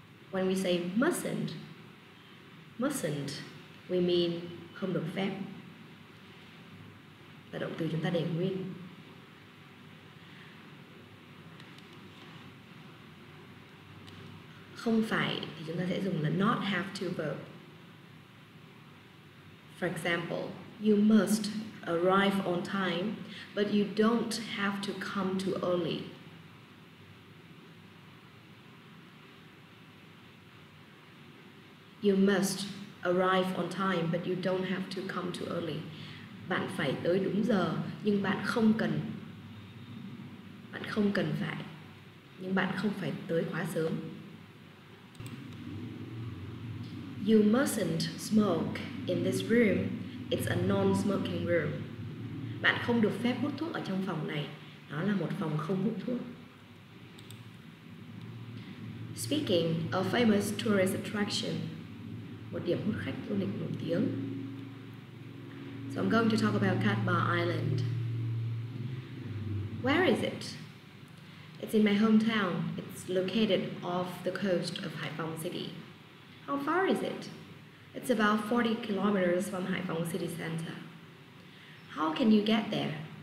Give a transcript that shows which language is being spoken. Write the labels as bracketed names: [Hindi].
[English] When we say mustn't, we mean [Vietnamese] không được phép. Là động từ chúng ta để nguyên. Không phải thì chúng ta sẽ dùng là not have to verb. [English] For example, you must arrive on time, but you don't have to come too early. You must arrive on time, but you don't have to come too early. [Vietnamese] Bạn phải tới đúng giờ, nhưng bạn không cần phải, nhưng bạn không phải tới quá sớm. [English] You mustn't smoke in this room. It's a non-smoking room. [Vietnamese] Bạn không được phép hút thuốc ở trong phòng này. Nó là một phòng không hút thuốc. [English] Speaking of famous tourist attraction, [Vietnamese] một điểm hút khách du lịch nổi tiếng. [English] So I'm going to talk about Cat Bar Island. Where is it? It's in my hometown. It's located off the coast of Haiphong City. How far is it? It's about 40 kilometers from Haiphong City Center. How can you get there?